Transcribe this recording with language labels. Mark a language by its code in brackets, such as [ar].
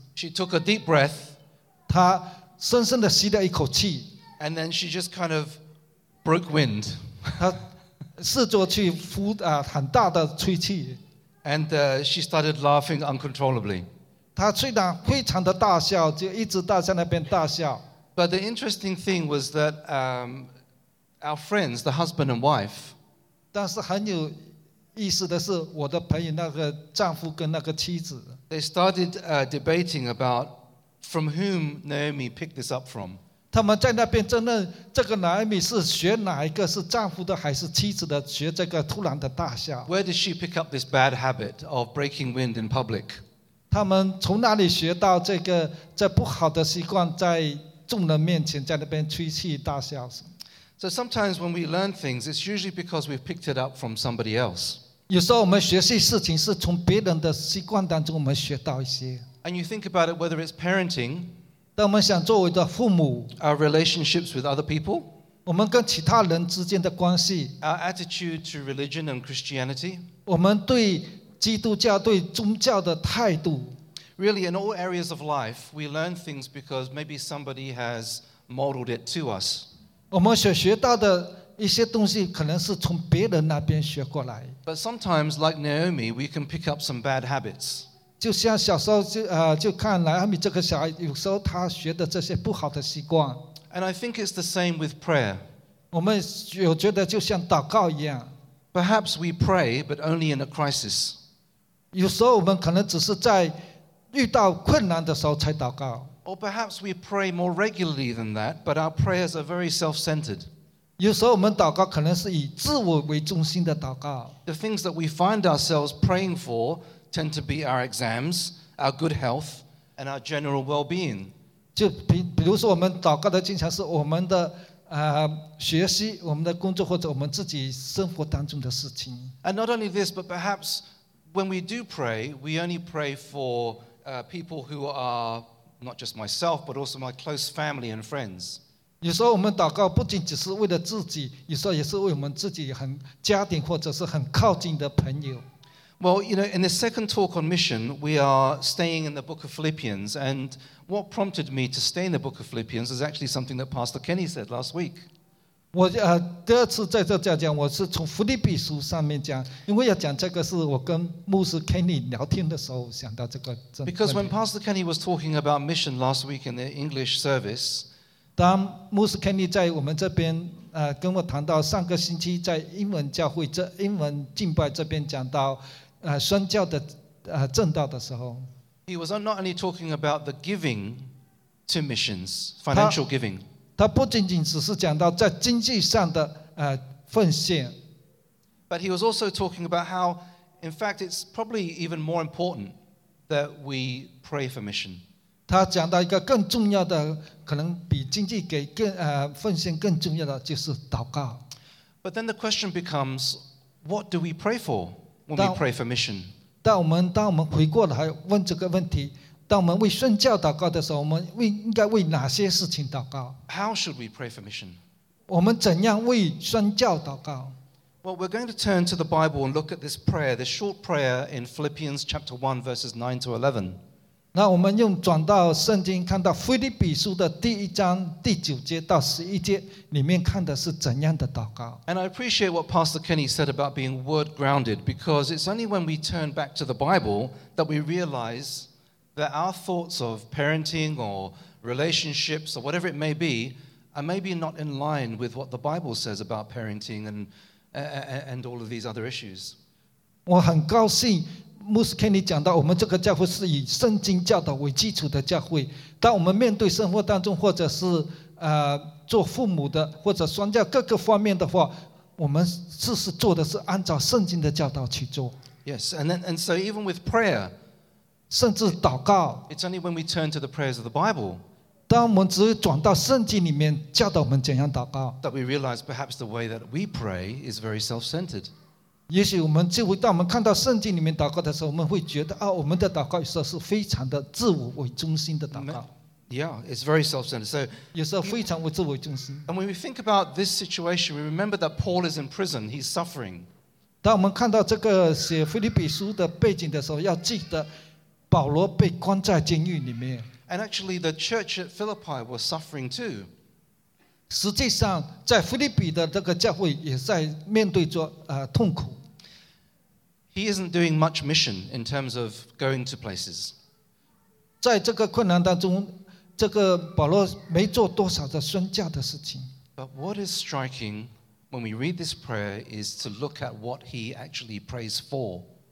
[en] She took a deep breath. [zh] 她深深的吸了一口气。 [en] And then she just kind of broke wind. [zh] 她试着去呼很大的吹气。 [en] And she started laughing uncontrollably. [zh] 她虽然非常的大笑，就一直大在那边大笑。 [en] But the interesting thing was that our friends, the husband and wife, [zh] 但是很有意思的是，我的朋友那个丈夫跟那个妻子 [en] they started debating about from whom Naomi picked this up from. [zh] 他们在那边争论这个 Naomi 是学哪一个，是丈夫的还是妻子的，学这个突然的大笑 [en] Where did she pick up this bad habit of breaking wind in public? [zh] 他们从哪里学到这个这不好的习惯在众人面前在那边吹气大笑。 [en] So sometimes when we learn things, it's usually because we've picked it up from somebody else. [zh] 有时候我们学习事情是从别人的习惯当中我们学到一些。 [en] And you think about it, whether it's parenting, [zh] 当我们想作为的父母 [en] our relationships with other people, [zh] 我们跟其他人之间的关系 [en] our attitude to religion and Christianity, [zh] 我们对基督教对宗教的态度。 [en] Really, in all areas of life, we learn things because maybe somebody has modeled it to us. [zh] 我们所学到的一些东西可能是从别人那边学过来。 [en] But sometimes, like Naomi, we can pick up some bad habits. [zh] 就像小时候就看来阿米这个小孩，有时候他学的这些不好的习惯。 [en] And I think it's the same with prayer. [zh] 我们有觉得就像祷告一样。 [en] Perhaps we pray, but only in a crisis. [zh] 有时候我们可能只是在遇到困难的时候才祷告。 [en] Or perhaps we pray more regularly than that, but our prayers are very self-centered. [zh] 有时候我们祷告可能是以自我为中心的祷告。 [en] The things that we find ourselves praying for tend to be our exams, our good health, and our general well-being. [zh] 就比如说我们祷告的经常是我们的学习、我们的工作或者我们自己生活当中的事情。 [en] And not only this, but perhaps when we do pray, we only pray for people who are not just myself, but also my close family and friends. [zh] 有时候我们祷告不仅只是为了自己，有时候也是为我们自己很家庭或者是很靠近的朋友。 [en] Well, you know, in the second talk on mission, we are staying in the book of Philippians. And what prompted me to stay in the book of Philippians is actually something that Pastor Kenny said last week. [zh] 我第二次在这再讲，我是从腓立比书上面讲，因为要讲这个是我跟牧师 Kenny 聊天的时候想到这个。 [en] Because when Pastor Kenny was talking about mission last week in the English service, [zh] 当牧师 Kenny 在我们这边跟我谈到上个星期在英文教会这英文敬拜这边讲到宣教的正道的时候 [en] ，He was not only talking about the giving to missions, financial giving. [zh] 他不仅仅只是讲到在经济上的奉献 [en] ，But he was also talking about how, in fact, it's probably even more important that we pray for mission. [zh] 他讲到一个更重要的，可能比经济给更奉献更重要的就是祷告。 [en] But then the question becomes, what do we pray for when we pray for mission? [zh] 当我们回过来问这个问题。当我们为宣教祷告的时候，我们应该为哪些事情祷告 [en] ？How should we pray for mission？ [zh] 我们怎样为宣教祷告 [en] ？Well, we're going to turn to the Bible and look at this prayer, this short prayer in Philippians chapter 1, verses 9 to 11. [zh] 那我们用转到圣经，看到腓立比书的第一章第九节到十一节里面看的是怎样的祷告 [en] ？And I appreciate what Pastor Kenny said about being word grounded, because it's only when we turn back to the Bible that we realize that our thoughts of parenting or relationships or whatever it may be are maybe not in line with what the Bible says about parenting and all of these other issues. [zh] 我很高兴牧师 Kenny 讲到我们这个教会是以圣经教导为基础的教会，当我们面对生活当中或者是做父母的或者双教各个方面的话，我们是做的是按照圣经的教导去做。 [en] Yes, and so even with prayer, [zh] 甚至祷告， [en] it's only when we turn to the prayers of the Bible, [zh] 当我们只转到圣经里面教导我们怎样祷告， [en] that we realize perhaps the way that we pray is very self-centered. [zh] 也许我们就会当我们看到圣经里面祷告的时候，我们会觉得啊，我们的祷告有时候是非常的自我为中心的祷告。 [en] Yeah, it's very self-centered. So, [zh] 有时候非常为自我中心。 [en] And when we think about this situation, we remember that Paul is in prison. He's suffering. [zh] 当我们看到这个写腓立比书的背景的时候，要记得保罗被关在监狱里面。 [en] And actually, the church at Philippi was suffering too. [zh] 实际上在腓立比的这个教会也在面对着痛苦。 [en] He isn't doing much mission in terms of going to places. [zh] 在这个困难当中，这个保罗没做多少的宣教的事情。 [en] But what is striking when we read this prayer is to look at what he actually prays for.